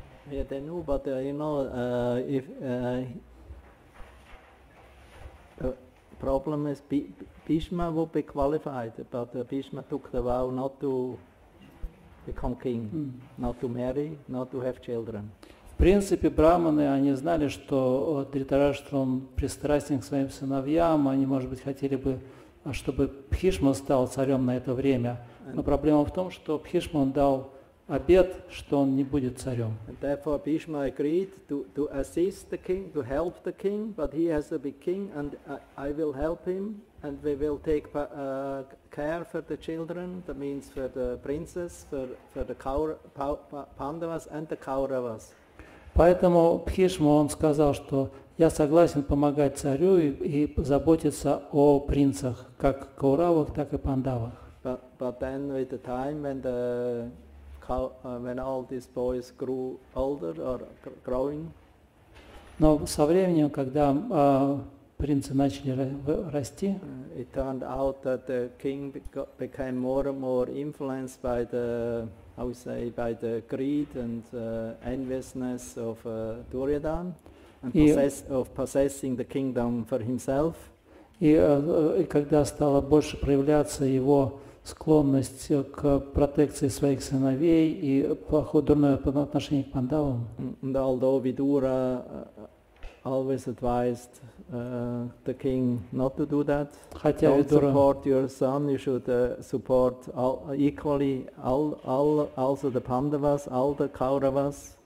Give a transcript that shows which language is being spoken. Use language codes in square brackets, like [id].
[en] Yeah, they knew, but the problem is Bhishma would be qualified, but Bhishma took the vow not to become king, not to marry, not to have children. [ru] В принципе, браманы, они знали, что Дритараштра, он пристрастен к своим сыновьям, они, может быть, хотели бы, чтобы Бхишма стал царем на это время. Но проблема в том, что Бхишма, он дал обет, что он не будет царем. [en] And therefore Bhishma agreed to assist the king, to help the king, but he has to be king, and I will help him, and we will take care for the children, that means for the princess, for the Pandavas and the Kauravas. [ru] Поэтому Бхишма, он сказал, что я согласен помогать царю и заботиться о принцах, как Кауравах, так и Пандавах. [en] But then with the time when the when all these boys grew older or growing. [ru] Но со временем, когда принцы начали расти, [en] it turned out that the king became more and more influenced by the greed and enviousness of Duryodhana and possessing the kingdom for himself. [ru] И когда стало больше проявляться его склонность к протекции своих сыновей и плохое дурное отношение к пандавам. [en] And although Vidura always advised the king not to do that, [ru] хотя [en] don't Vidura, support your son, you should support equally also the Pandavas, all the Kauravas.